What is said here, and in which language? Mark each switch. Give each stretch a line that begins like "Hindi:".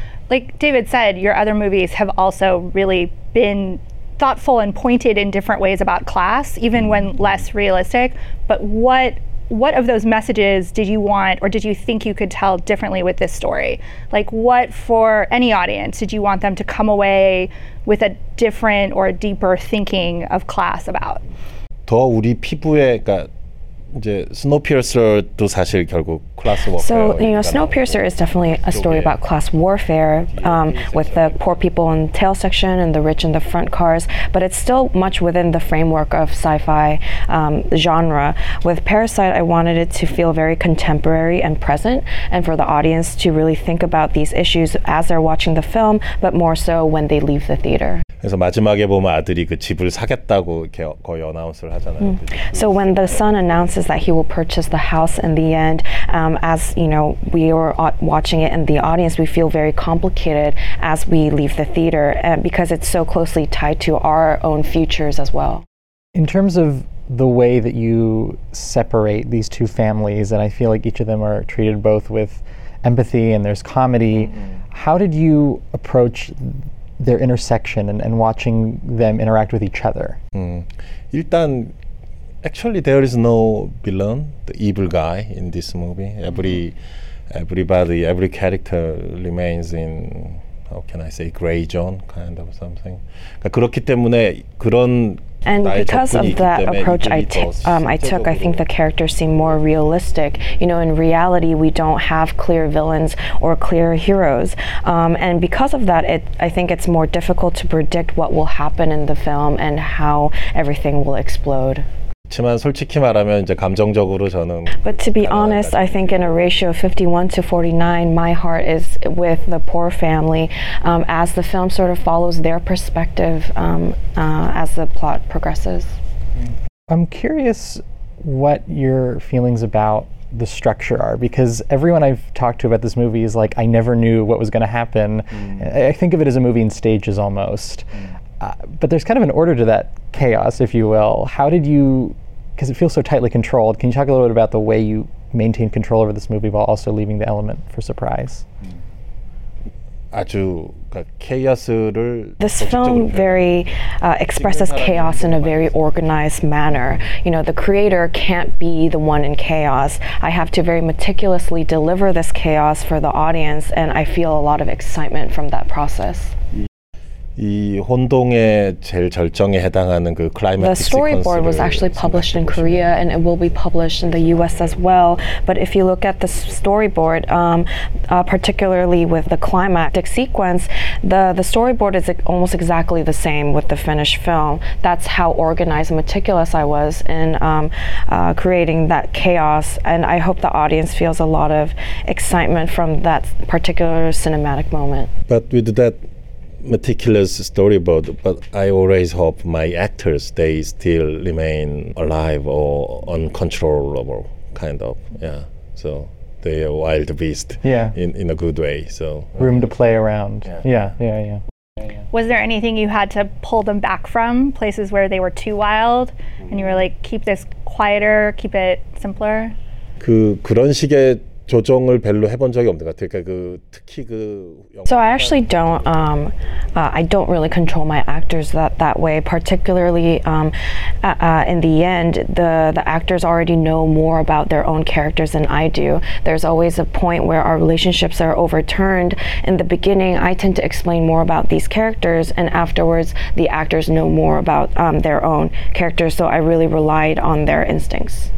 English: Like David said, your other movies have also really been thoughtful and pointed in different ways about class, even when less realistic. But what of those messages did you want, or did you think you could tell differently with this story? Like, what for any audience did you want them to come away with a different or a deeper thinking of class about?
Korean: 더 우리 피부에, 그러니까 이제 스노우피어서도 사실 결국 클래스 워페어.
English: So, you know, Snowpiercer is definitely a story about class warfare with the poor people in the tail section and the rich in the front cars, but it's still much within the framework of sci-fi genre. With Parasite, I wanted it to feel very contemporary and present and for the audience to really think about these issues as they're watching the film, but more so when they leave the theater.
Korean: 그래서 마지막에 보면 아들이 그 집을 사겠다고 거의 어나운스를 하잖아요.
English: So when the son announces that he will purchase the house in the end, as you know, we were watching it in the audience, we feel very complicated as we leave the theater because it's so closely tied to our own futures as well. In terms of the way that you separate these two families, and I feel like each of them are treated both with empathy and there's comedy, how did you approach their intersection and watching them interact with each other? 일단, actually, there is no villain, the evil guy in this movie. Every character remains in, how can I say, gray zone, kind of something.
Korean: 그렇기 때문에 그런
English: And because of that approach I took, I think the characters seem more realistic. You know, in reality, we don't have clear villains or clear heroes. And because of that, I think it's more difficult to predict what will happen in the film and how everything will explode.
Korean: 하지만 솔직히 말하면 이제 감정적으로 저는
English: But to be honest, I think in a ratio of 51 to 49, my heart is with the poor family as the film sort of follows their perspective as the plot progresses. I'm curious what your feelings about the structure are, because everyone I've talked to about this movie is like, I never knew what was going to happen. I think of it as a movie in stages almost. But there's kind of an order to that chaos, if you will. How did you, because it feels so tightly controlled, can you talk a little bit about the way you maintain control over this movie while also leaving the element for surprise?
Korean: 아주 chaos를
English: This film very expresses chaos in a very organized manner. You know, the creator can't be the one in chaos. I have to very meticulously deliver this chaos for the audience, and I feel a lot of excitement from that process.
Korean: 이 혼동의 제일 절정에 해당하는 그 클라이맥스
English: The storyboard was actually published in Korea and it will be published in the US as well. But if you look at the storyboard, particularly with the climactic sequence, the storyboard is almost exactly the same with the finished film. That's how organized and meticulous I was in creating that chaos. And I hope the audience feels a lot of excitement from that particular cinematic moment. But with that meticulous storyboard, but I always hope my actors, they still remain alive or uncontrollable, kind of, yeah. So they are wild beast, yeah. in a good way, so. Room to play around, yeah. Was there anything you had to pull them back from, places where they were too wild, and you were like, keep this quieter, keep it simpler?
Korean: 그런 식의 조정을 별로 해본 적이 없는 것 같아요. 특히 그
English: So I actually don't I don't really control my actors that way, particularly in the end the actors already know more about their own characters than I do. There's always a point where our relationships are overturned. In the beginning I tend to explain more about these characters, and afterwards the actors know more about their own characters, so I really relied on their instincts.